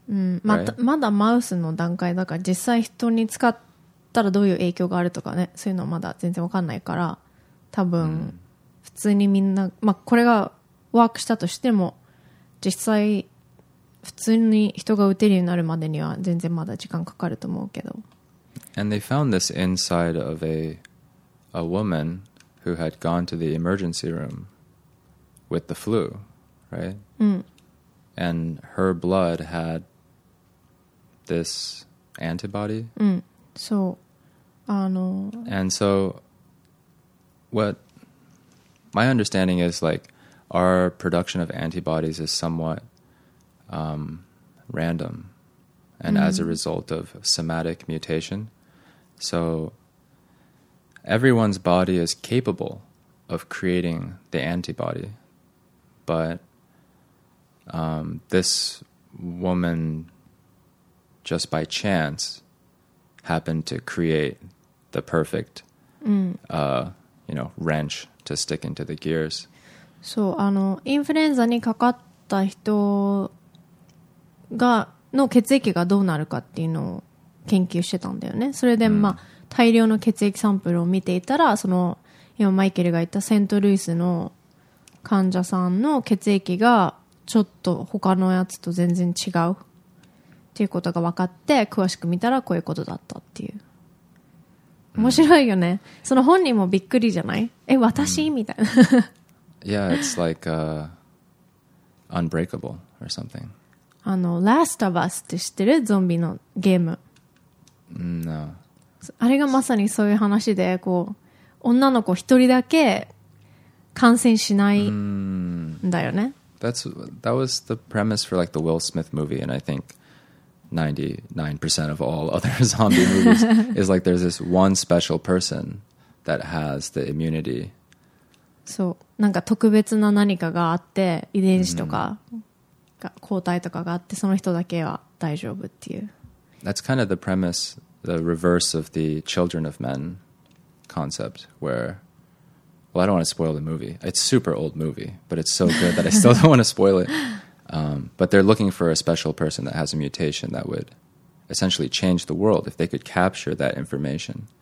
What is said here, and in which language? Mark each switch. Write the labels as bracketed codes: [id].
[ja] まだマウスの段階だから実際人に使ったらどういう影響があるとかね、そういうのまだ全然わかんないから、多分普通にみんな、まあこれがワークしたとしても実際普通に人が打てるようになるまでには全然まだ時間かかると思うけど。 [en] And they found this inside of a woman who had gone to the emergency room with the flu, right? And her blood had this antibody. So, And so, what my understanding is like our production of antibodies is somewhat random and as a result of somatic mutation. So everyone's body is capable of creating the antibody, but this woman just by chance happened to create the perfect, you know, wrench to stick into the gears. [ja] So, あの、インフルエンザにかかった人がの血液がどうなるかっていうのを研究してたんだよね。それで、まあ、大量の血液サンプルを見ていたら、その、今マイケルが言ったセントルイスの患者さんの血液がちょっと他のやつと全然違うっていうことが分かって、詳しく見たらこういうことだったっていう。面白いよね。その本人もびっくりじゃない？え、私？みたいな。 [en] Yeah, it's like, Unbreakable or something. [ja] あの、Last of Us って知ってる？ゾンビのゲーム。 [en] No. [ja] あれがまさにそういう話で、こう女の子一人だけ感染しないんだよね。 [en] That was the premise for like the Will Smith movie, and I think 99% of all other zombie movies is like there's this one special person that has the immunity. [ja] そう、なんか特別な何かがあって遺伝子とか、抗体とかがあってその人だけは大丈夫っていう。 [en] That's kind of the premise, the reverse of the Children of Men concept, where, well, I don't want to spoil the movie. It's a super old movie, but it's so good that I still don't want to spoil it. But they're looking for a special person that has a mutation that would essentially change the world if they could capture that information.